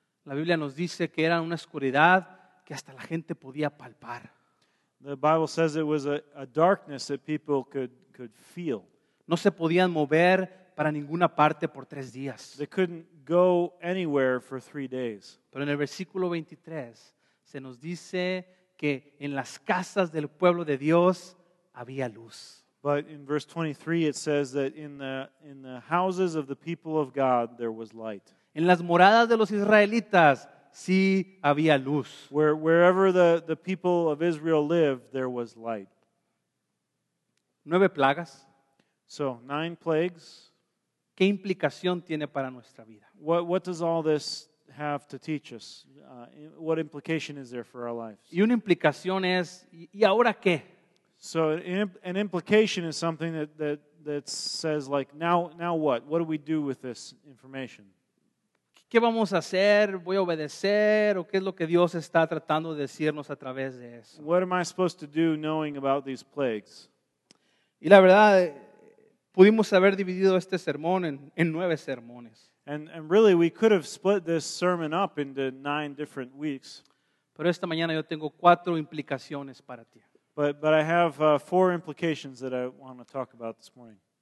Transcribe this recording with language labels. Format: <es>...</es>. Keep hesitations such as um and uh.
<en>The Bible says it was a, a, darkness that people could, could feel.</en> <es>No se podían mover para ninguna parte por tres días.</es> <en>They couldn't go anywhere for three days. But in the</en> <es>versículo 23 se nos dice que en las casas del pueblo de Dios...</es> <en>But in verse 23 it says that in the, in the houses of the people of God there was light.</en> <es>En las moradas de los israelitas sí había luz.</es> <en>Where, wherever the, the people of Israel lived there was light.</en> <es>Nueve plagas.</es> <en>So, nine plagues.</en> <es>¿Qué implicación tiene para nuestra vida?</es> <en>What, what does all this have to teach us? Uh, what implication is there for our lives?</en> <es>Y una implicación es, ¿y, y ahora qué?</es> <en>So an, implication is something that, that, that says like now now what what do we do with this information? De what am I supposed to do knowing about these plagues?</en> <es>Y la verdad pudimos haber dividido este sermón en, en nueve sermones.</es> <en>And, and really we could have split this sermon up into nine different weeks.</en> <es>Pero esta mañana yo tengo cuatro implicaciones para ti.</es> <en>But, but I have uh, four implications that I want to talk about this morning.</en>